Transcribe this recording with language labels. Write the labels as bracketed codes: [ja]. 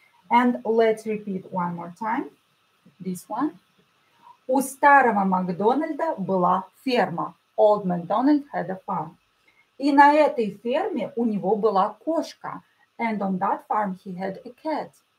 [en] And let's repeat one more time, this one. [ru] У старого Макдональда была ферма. [en] Old MacDonald had a farm. [ru] И на этой ферме у него была кошка. [en] And on that farm he had a cat.